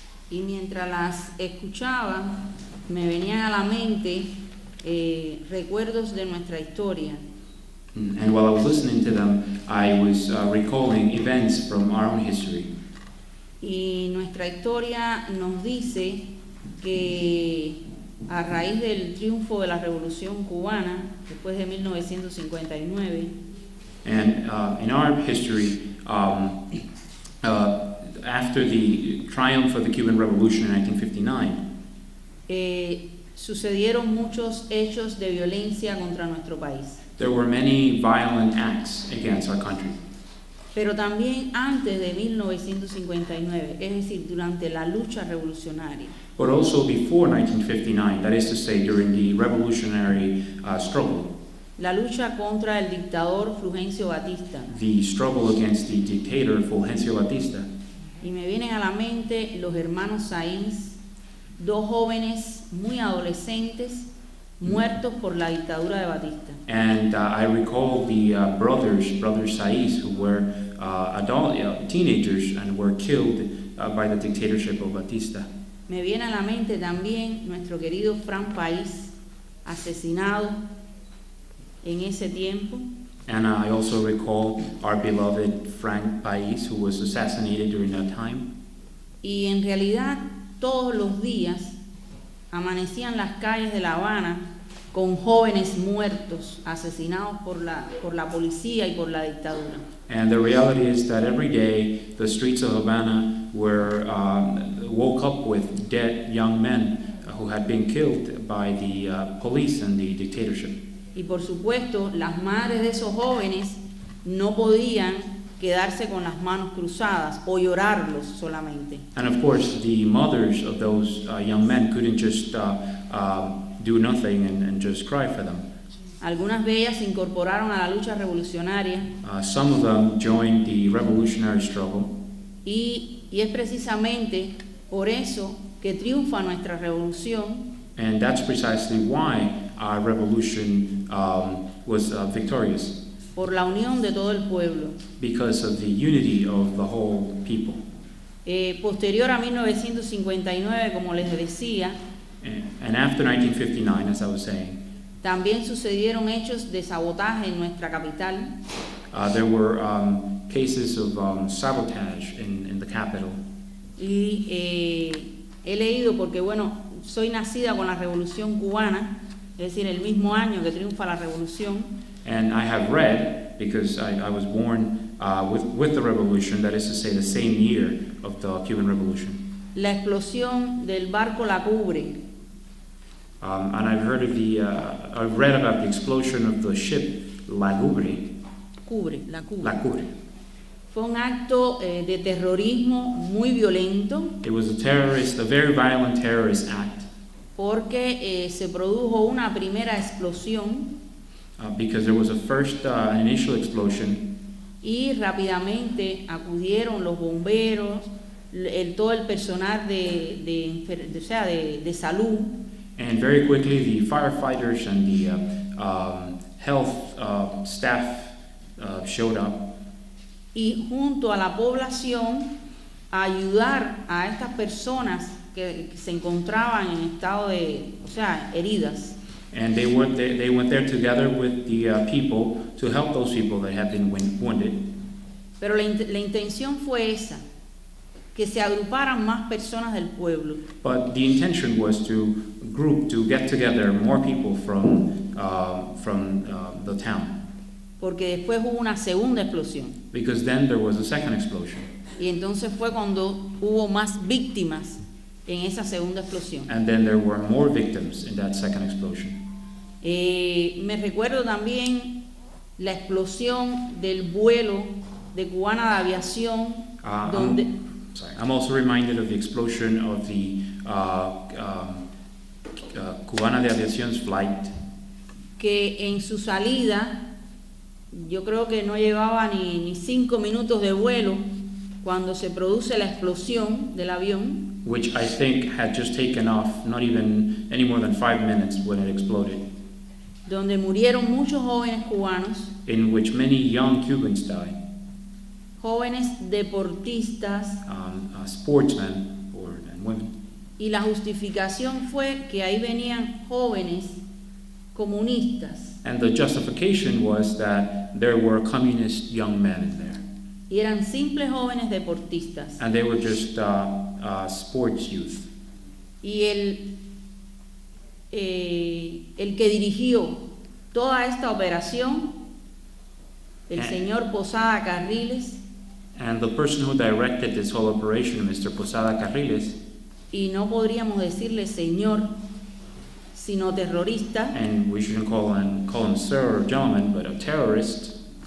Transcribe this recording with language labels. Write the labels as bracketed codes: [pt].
[es] Y mientras las escuchaba, me venía a la mente recuerdos de nuestra historia. [en] And while I was listening to them, I was recalling events from our own history. [es] Y nuestra historia nos dice que a raíz del triunfo de la Revolución Cubana después de 1959. [en] And in our history, after the triumph of the Cuban Revolution in 1959, [es] sucedieron muchos hechos de violencia contra nuestro país. [en] There were many violent acts against our country. [es] Pero también antes de 1959, es decir, durante la lucha revolucionaria. [en] But also before 1959, that is to say, during the revolutionary struggle. [es] La lucha contra el dictador Fulgencio Batista. [en] The struggle against the dictator Fulgencio Batista. [es] Y me vienen a la mente los hermanos Sáenz, dos jóvenes muy adolescentes muertos por la dictadura de Batista. [en] And I recall the brothers Saiz, who were teenagers and were killed by the dictatorship of Batista. [es] Me viene a la mente también nuestro querido Fran País, asesinado en ese tiempo. [en] And I also recall our beloved Frank Baez, who was assassinated during that time. [es] Y en realidad, todos los días amanecían las calles de La Habana con jóvenes muertos, asesinados por la policía y por la dictadura. [en] And the reality is that every day the streets of Havana were woke up with dead young men who had been killed by the police and the dictatorship. [es] Y por supuesto, las madres de esos jóvenes no podían quedarse con las manos cruzadas o llorarlos solamente. [en] And of course, the mothers of those young men couldn't just do nothing and just cry for them. [es] Algunas de ellas se incorporaron a la lucha revolucionaria. [en] Some of them joined the revolutionary struggle. [es] Y es precisamente por eso que triunfa nuestra revolución. [en] And that's precisely why our revolution was victorious. [es] Por la unión de todo el pueblo. [en] Because of the unity of the whole people. [es] Posterior a 1959, como les decía. [en] And after 1959, as I was saying. [es] También sucedieron hechos de sabotaje en nuestra capital. [en] There were cases of sabotage in the capital. [es] Y he leído porque, bueno, soy nacida con la Revolución Cubana, es decir, el mismo año que triunfa la Revolución. [en] And I have read, because I was born with the Revolution, that is to say, the same year of the Cuban Revolution. [es] La explosión del barco La Cubre. [en] And I've heard of the, I've read about the explosion of the ship La Cubre. [es] Cubre, La Cubre. [en] La Cubre. [es] Fue un acto de terrorismo muy violento. [en] It was a terrorist, a very violent terrorist act. [es] Porque se produjo una primera explosión. [en] Because there was a first initial explosion. [es] Y rápidamente acudieron los bomberos, todo el personal de salud. [en] And very quickly the firefighters and the health staff showed up. [es] Y junto a la población a ayudar a estas personas que se encontraban en estado de, o sea, heridas. [en] And they went there together with the people to help those people that had been wounded. [es] Pero la intención fue esa, que se agruparan más personas del pueblo. [en] But the intention was to group, to get together more people from the town. [es] Porque después hubo una segunda explosión. [en] Because then there was a second explosion. [es] Y entonces fue cuando hubo más víctimas en esa segunda explosión. [en] And then there were more victims in that second explosion. [es] Me recuerdo también la explosión del vuelo de Cubana de Aviación. [en] I'm also reminded of the explosion of the Cubana de Aviación's flight. [es] Que en su salida, yo creo que no llevaba ni cinco minutos de vuelo cuando se produce la explosión del avión. [en] Which I think had just taken off, not even any more than 5 minutes when it exploded. [es] Donde murieron muchos jóvenes cubanos. [en] In which many young Cubans died. [es] Jóvenes deportistas. [en] Sportsmen and women. [es] Y la justificación fue que ahí venían jóvenes comunistas. [en] And the justification was that there were communist young men in there. [es] Y eran simples jóvenes deportistas. [en] And they were just sports youth. [es] Y el que dirigió toda esta operación, señor Posada Carriles. [en] And the person who directed this whole operation, Mr. Posada Carriles. [es] Y no podríamos decirle señor, sino terrorista. [en] And we shouldn't call him sir or gentleman, but a terrorist.